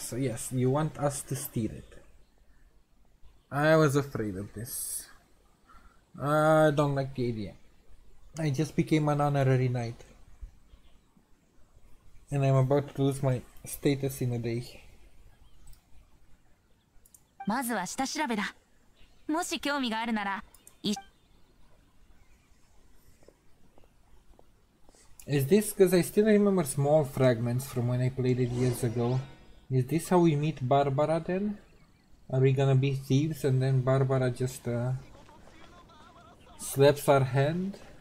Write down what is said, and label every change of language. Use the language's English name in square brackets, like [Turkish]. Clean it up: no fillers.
[English] So yes, you want us to steal it. I was afraid of this. I don't like the idea. I just became an honorary knight. And I'm about to lose my status in a day. [Japanese] まずは下調べだ。もし興味があるなら。 [English] Is this because I still remember small fragments from when I played it years ago? Is this how we meet Barbara then? Are we gonna be thieves and then Barbara just slaps our hand?